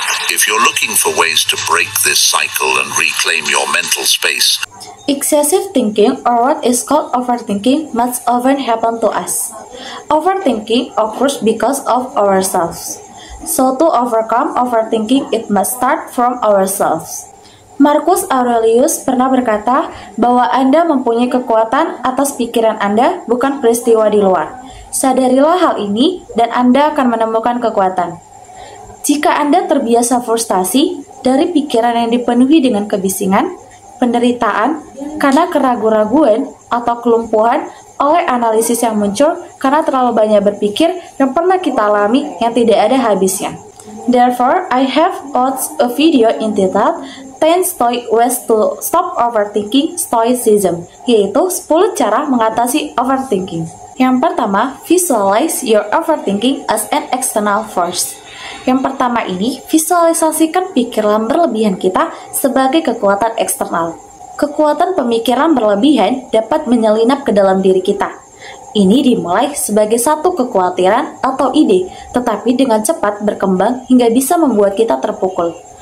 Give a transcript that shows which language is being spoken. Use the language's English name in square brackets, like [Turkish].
[English] If you're looking for ways to break this cycle and reclaim your mental space, excessive thinking, or what is called overthinking, must often happen to us. Overthinking occurs because of ourselves. So to overcome overthinking, it must start from ourselves. [Indonesian] Marcus Aurelius pernah berkata bahwa Anda mempunyai kekuatan atas pikiran Anda, bukan peristiwa di luar. Sadarilah hal ini dan Anda akan menemukan kekuatan. Jika Anda terbiasa frustasi dari pikiran yang dipenuhi dengan kebisingan, penderitaan karena keraguan atau kelumpuhan oleh analisis yang muncul karena terlalu banyak berpikir yang pernah kita alami yang tidak ada habisnya. [English] Therefore, I have watched a video entitled 10 Stoic Ways to Stop Overthinking Stoicism, [Indonesian] yaitu 10 cara mengatasi overthinking. Yang pertama, [English] visualize your overthinking as an external force. [Indonesian] Yang pertama ini, visualisasikan pikiran berlebihan kita sebagai kekuatan eksternal. Kekuatan pemikiran berlebihan dapat menyelinap ke dalam diri kita. Ini dimulai sebagai satu kekhawatiran atau ide, tetapi dengan cepat berkembang hingga bisa membuat kita terpukul.